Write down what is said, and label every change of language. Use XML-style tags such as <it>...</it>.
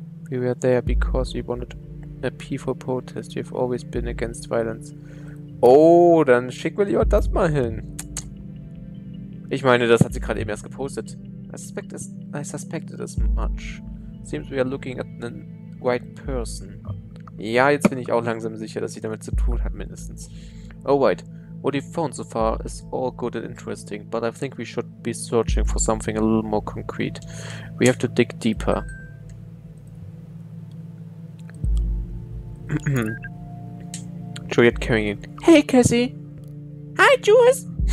<en>We were there because we wanted a peaceful protest. We've always been against violence.</en> <de>Oh, dann schick mir lieber das mal hin. Ich meine, das hat sie gerade eben erst gepostet.</de> <en>I suspected as much. Seems we are looking at an white person.</en> <de>Ja, jetzt bin ich auch langsam sicher, dass sie damit zu tun hat, mindestens.</de> <en>Oh, right. What you've found so far is all good and interesting, but I think we should be searching for something a little more concrete. We have to dig deeper. Juliet carrying it. Hey, Cassie! Hi, Jules!</en>